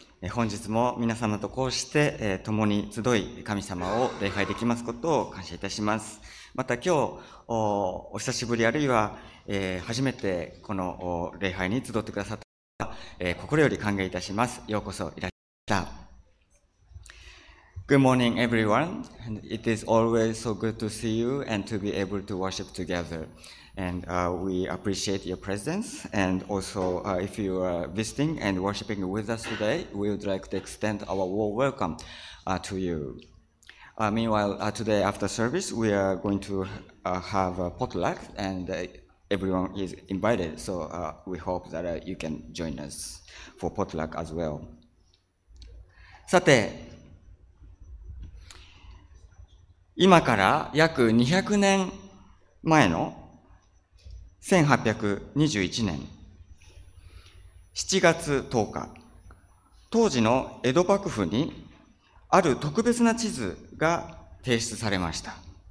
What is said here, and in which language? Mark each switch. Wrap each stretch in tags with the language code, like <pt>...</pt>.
<ja>本日も皆様とこうして共に集い神様を礼拝できますことを感謝いたします。また今日 お久しぶりあるいは初めてこの礼拝に集ってくださった方、心より歓迎いたします。ようこそいらっしゃいました。</ja> <en>Good morning everyone. It is always so good to see you and to be able to worship togetherAnd we appreciate your presence. And also, if you are visiting and worshiping with us today, we would like to extend our warm welcome to you. Meanwhile, today after service, we are going to have a potluck, and everyone is invited. So we hope that you can join us for potluck as well.</en> <ja>さて、今から約200年前の1821年7月10日、当時の江戸幕府にある特別な地図が提出されました。</ja>